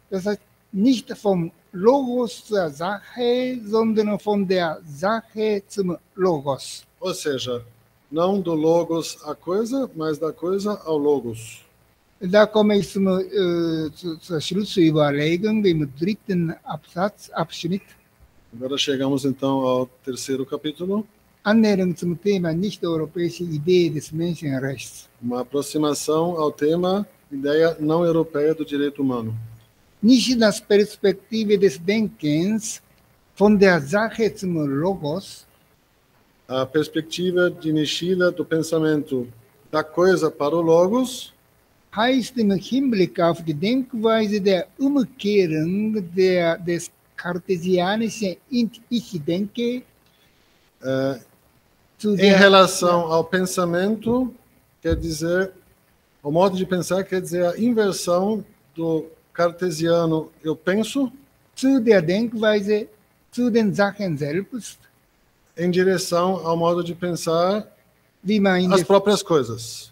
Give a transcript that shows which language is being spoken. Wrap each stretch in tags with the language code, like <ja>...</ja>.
<de>Das heißt, nicht vom Logos zur Sache, sondern von der Sache zum Logos.</de> <pt>Ou seja, não do Logos à coisa, mas da coisa ao Logos.</pt> <de>Da komme ich zur Schlussüberlegung im dritten Abschnitt.</de> <pt>Agora chegamos então ao terceiro capítulo.</pt> <de>Annäherung zum Thema nicht-europäische Idee des Menschenrechts.</de> <pt>Uma aproximação ao tema ideia não europeia do direito humano.</pt> <de>Nishidas Perspektive des Denkens von der Sache zum Logos.</de> <pt>A perspectiva de Nishida do pensamento da coisa para o Logos.</pt> <de>Heißt im Hinblick auf die Denkweise der Umkehrung des cartesianische ich denke</de> <pt>em relação ao pensamento, quer dizer, o modo de pensar, quer dizer a inversão do cartesiano eu penso</pt> <de>zu der Denkweise zu den Sachen selbst,</de> <pt>em direção ao modo de pensar as próprias coisas,</pt>